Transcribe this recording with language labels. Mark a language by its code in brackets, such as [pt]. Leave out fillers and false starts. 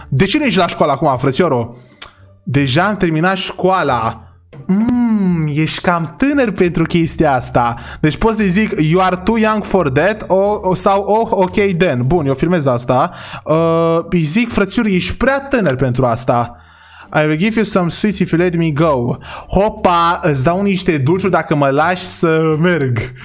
[ro] De ce nu ești la școală acum, frățioro? Deja am terminat școala. Ești cam tânăr pentru chestia asta. Deci pot să-i zic [en] you are too young for that [ro] sau [en] oh, ok, then. [ro] Bun, eu filmez asta. Îi zic, frățiuri, ești prea tânăr pentru asta. [en] I will give you some sweets if you let me go. [ro] Hopa, îți dau niște dulciuri dacă mă lași să merg.